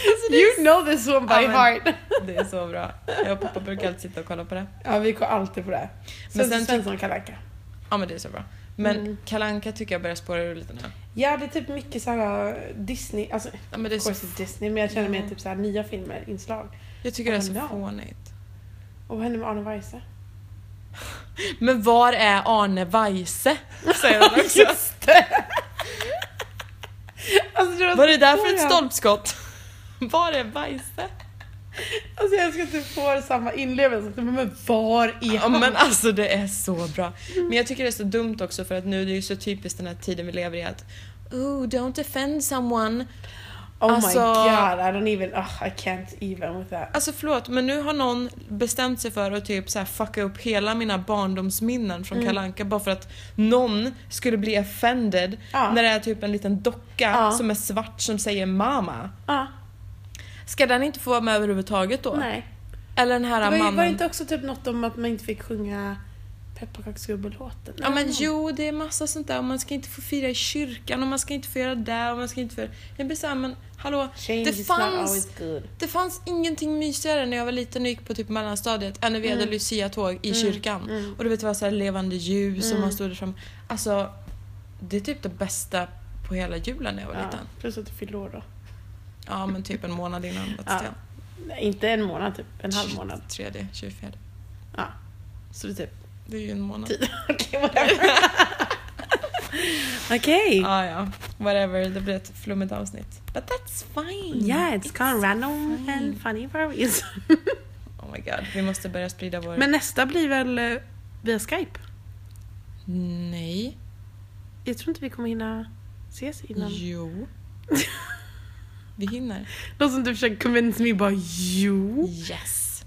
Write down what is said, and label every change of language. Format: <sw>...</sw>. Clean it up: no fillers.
<en>You know this one by heart.</en> <sv>Det är så bra. Jag och pappa brukar alltid sitta och kolla på det. Ja, vi går alltid på det. Men sen Svensson och Kalanka. Ja, men det är så bra. Men Kalanka tycker jag börjar spåra ur lite nu. Ja, det är typ mycket så här Disney. Alltså, ja, men det är så Disney. Men jag känner mig typ så här nya filmer, inslag. Jag tycker det är så fånigt. Och vad händer med Arne Weise? Men var är Arne Weise? Säger han också. Just det. Alltså, det var det där för ett stolpskott? Var är Weise? Alltså jag ska inte få samma inlevelse. Men var är han? Ja, men alltså det är så bra. Men jag tycker det är så dumt också, för att nu är det ju så typiskt den här tiden vi lever i, att</sv> <en>don't offend someone. Oh alltså, my god, I don't even, I can't even with that.</en> <sv>Alltså förlåt, men nu har någon bestämt sig för att typ så här fucka upp hela mina barndomsminnen från Kalanka bara för att någon skulle bli offended när det är typ en liten docka som är svart som säger mamma. Ska den inte få vara med överhuvudtaget då? Nej. Eller den här var, mannen. Var det inte också typ något om att man inte fick sjunga pepparkaksgubbelåten? Ja, men jo, det är massa sånt där. Och man ska inte få fira i kyrkan, och man ska inte få göra det, och man ska inte få... Jag blir såhär, men hallå.</sv> <en>Change</en> <sv>det fanns ingenting mysigare när jag var liten och gick på typ mellanstadiet än när vi hade Lucia-tåg i kyrkan. Och du vet, det var såhär levande ljus som man stod där fram. Alltså, det är typ det bästa på hela julen när jag var liten. Plus att du fyllde år då. Ja, men typ en månad innan. Inte en månad, typ en halv månad. 3, 24. Ja, så det är typ... Det är ju en månad. Okej. Ja, ja. Whatever, det blir ett flummigt avsnitt.</sv> <en>But that's fine. Yeah, it's kind of random and funny for a reason. Oh my god,</en> <sv>vi måste börja sprida vår... Men nästa blir väl via Skype? Nej. Jag tror inte vi kommer hinna ses innan. Jo. Vi hinner. Någon som du försöker convince mig bara, jo.</sv> <en>Yes.</en>